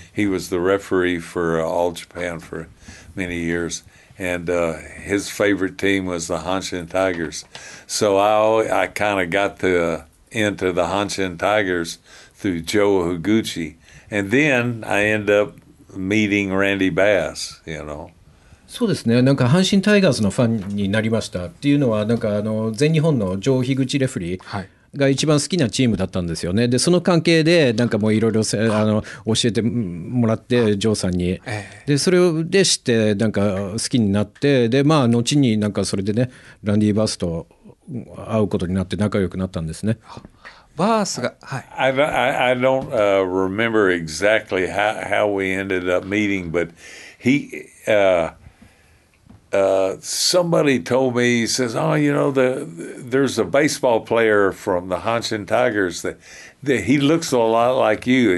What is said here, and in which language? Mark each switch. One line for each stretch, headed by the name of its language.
English: He was the referee for All Japan for many years. And his favorite team was the Hanshin Tigers. So I kind of got into the Hanshin Tigers through Joe Iguchi. And then I end up meeting Randy Bass, you know.
Japanese: そうですね、なんか阪神タイガースのファンになりましたっていうのは、なんかあの全日本のジョー・ヒグチレフリーが一番好きなチームだったんですよね。でその関係でなんかもういろいろ教えてもらって、ジョーさんに、でそれで知ってなんか好きになって、でまあ後になんかそれでね、ランディ・バースと会うことになって仲良くなったんですね。バースが、はい。
English: I don't remember exactly how we ended up meeting, but he, somebody told me, he says, oh, you know, there's a baseball player from the Hanshin Tigers that he looks a lot like you.